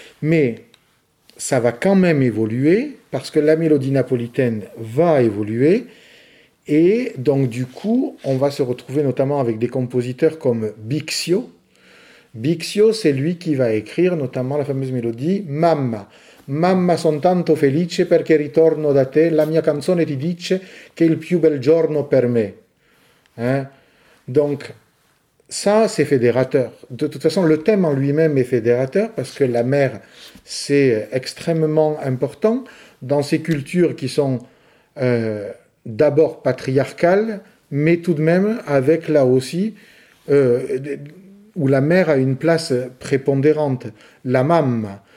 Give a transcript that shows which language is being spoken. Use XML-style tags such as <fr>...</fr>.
<fr>Mais ça va quand même évoluer parce que la mélodie napolitaine va évoluer. Et donc, du coup, on va se retrouver notamment avec des compositeurs comme Bixio. Bixio, c'est lui qui va écrire notamment la fameuse mélodie Mamma.</fr> <it>Mamma, son tanto felice perché ritorno da te. La mia canzone ti dice che il più bel giorno per me.</it> <fr>Hein? Donc, ça, c'est fédérateur. De toute façon, le thème en lui-même est fédérateur parce que la mer, c'est extrêmement important dans ces cultures qui sont d'abord patriarcales, mais tout de même avec là aussi où la mer a une place prépondérante, la mam.</fr>